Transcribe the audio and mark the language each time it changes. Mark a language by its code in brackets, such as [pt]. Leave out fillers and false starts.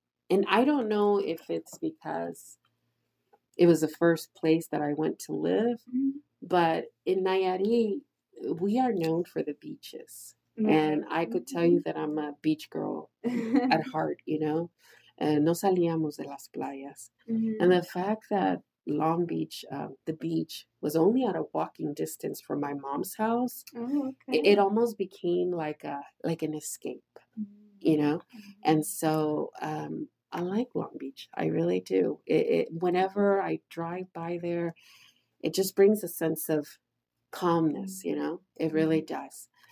[en] And I don't know if it's because it was the first place that I went to live. But in Nayarit, we are known for the beaches. Mm-hmm. And I could tell you that I'm a beach girl at heart, you know. [es] No salíamos de las playas. [en] Mm-hmm. And the fact that Long Beach, the beach, was only at a walking distance from my mom's house, it almost became like an escape, you know. Mm-hmm. And so... I like Long Beach. I really do. It whenever I drive by there, it just brings a sense of calmness, you know? It really does.